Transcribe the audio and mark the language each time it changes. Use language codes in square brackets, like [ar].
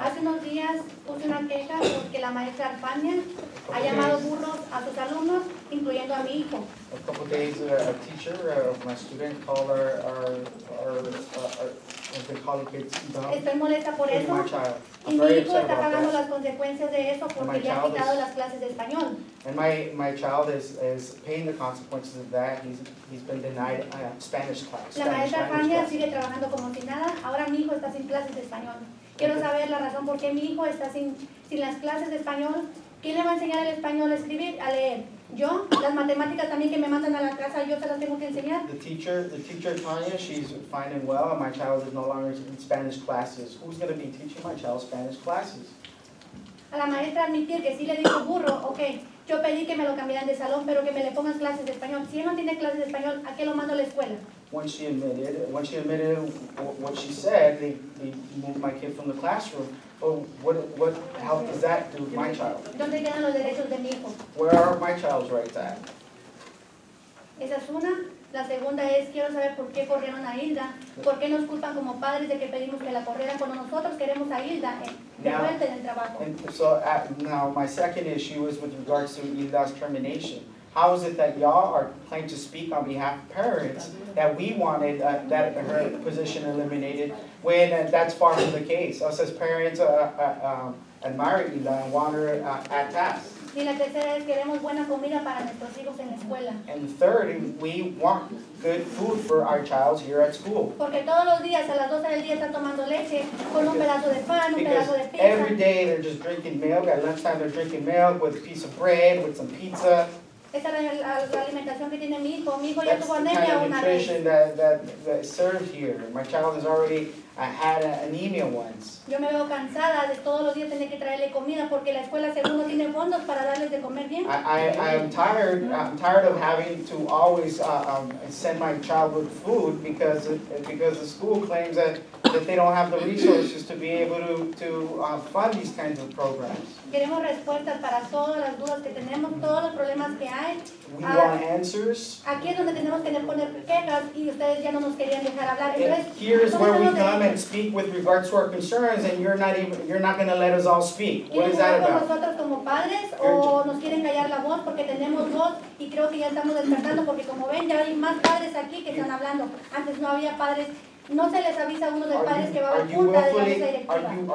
[es] hace unos días puse una queja porque la maestra Alpania ha llamado burros a sus alumnos, incluyendo a mi hijo. [en] A couple days, a teacher of my student called our colleague kids dog. [es] Estoy molesta por eso. [en] My child. [es] Y mi hijo está pagando las consecuencias de eso porque ya ha quitado las clases de español. [en] And my child is paying the consequences of that. He's been denied a Spanish class. [es] La maestra Fania sigue trabajando como si nada. Ahora mi hijo está sin clases de español. Quiero saber la razón por qué mi hijo está sin las clases de español. ¿Quién le va a enseñar el español a escribir, a leer? Yo, las matemáticas también que me mandan a la casa, yo se las tengo que enseñar. [en] The teacher Tanya, she's fine and well, and my child is no longer in Spanish classes. Who's going to be teaching my child Spanish classes? [es] A la maestra admitir que sí le dijo burro, okay. Yo pedí que me lo cambiaran de salón, pero que me le pongan clases de español. Si él no tiene clases de español, ¿a qué lo mando a la escuela? [en] When she admitted what she said, they moved my kid from the classroom. Oh, what help does that do with my child? [es] ¿Dónde quedan los derechos de mi hijo? [en] Where are my child's rights at? [es] Esa es una. La segunda es, quiero saber por qué corrieron a Hilda. ¿Por qué nos culpan como padres de que pedimos que la corrieran cuando nosotros queremos a Hilda de [en] now, [es] vuelta en el trabajo? [en] Now, my second issue is with regards to Hilda's termination. How is it that y'all are planning to speak on behalf of parents that we wanted that her position eliminated when that's far from the case? Us as parents admire Hilda and want her at task. [es] Y la tercera es, queremos buena comida para nuestros hijos en la escuela. [en] And third, we want good food for our child here at school. [es] Porque todos los días, a las 12 del día, están tomando leche con un pedazo de pan, [en] because [es] un pedazo de pizza. [en] Every day they're just drinking milk. At lunchtime they're drinking milk with a piece of bread, with some pizza. [es] Esa es la alimentación que tiene mi hijo. Mi hijo ya tuvo anemia una vez. [en] That's the kind of nutrition that is served here. My child has already had anemia once. [es] Yo me veo cansada de todos los días tener que traerle comida porque la escuela según no tiene fondos para darles de comer bien. [en] I'm tired of having to always send my child with food because the school claims that they don't have the resources to be able to fund these kinds of programs. [es] Queremos respuestas para todas las dudas que tenemos, todos los problemas que hay. [en] We want answers. [es] Aquí es donde tenemos que poner quejas y ustedes ya no nos querían dejar hablar. [en] Here is where we come and speak with regards to our concerns, and you're not going to let us all speak. What is that about? [es] Nosotros como padres o nos quieren callar la voz porque tenemos voz y creo que ya estamos despertando porque como ven ya hay más padres aquí que están hablando. Antes no había padres. No se les avisa a uno de padres que va a junta de la mesa directiva.